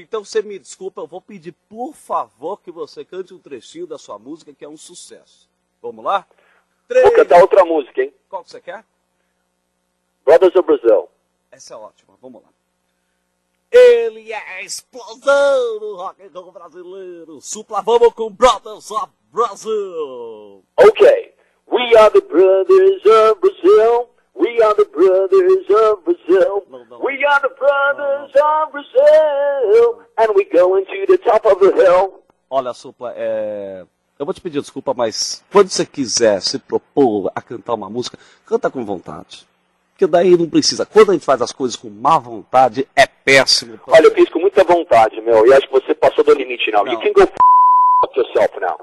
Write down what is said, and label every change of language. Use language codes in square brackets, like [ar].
[pt] Então você me desculpa, eu vou pedir por favor que você cante um trechinho da sua música, que é um sucesso. Vamos lá? Três. Vou cantar outra música, hein? Qual que você quer? Brothers of Brazil. Essa é ótima, vamos lá. Ele é a explosão do rock and roll brasileiro. Supla, vamos com Brothers of Brazil. Ok. [en] We are the brothers of Brazil. We are the brothers of Brazil. [pt] Não. [en] We are the brothers of Brazil. And we're going to the top of the hill. [pt] Olha, Supla, eu vou te pedir desculpa, mas quando você quiser se propor a cantar uma música, canta com vontade. Porque daí não precisa. Quando a gente faz as coisas com má vontade, é péssimo. Olha, eu fiz com muita vontade, meu. E acho que você passou do limite, não. [en] You can go f*** yourself now.